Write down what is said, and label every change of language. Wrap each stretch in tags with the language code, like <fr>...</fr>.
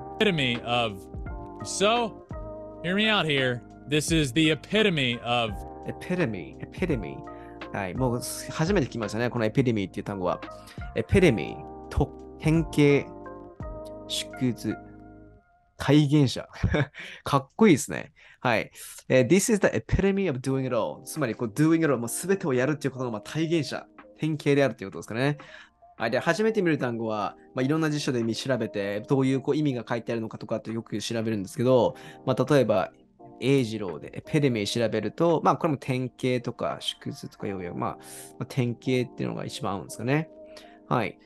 <en>Epitome of... So, hear me out here. This is the epitome of... Epitome, epitome.</en> <ja>はい、もう初めて聞きましたね、このエピデミーっていう単語は。エピデミー、と変形、縮図、体現者。かっこいいですね。はい。</ja> <en>This is the epitome of doing it all.</en> <ja>つまり、こう、</ja> <en>doing it all、</en> <ja>もうすべてをやるっていうことの、まあ、体現者、変形であるっていうことですかね。はい、で初めて見る単語は、まあ、いろんな辞書で見調べて、どういう、 こう意味が書いてあるのかとかってよく調べるんですけど、まあ、例えば、エイジローでエペデミー調べると、まあこれも典型とか縮図とかよく、まあ典型っていうのが一番合うんですかね。はい。</ja>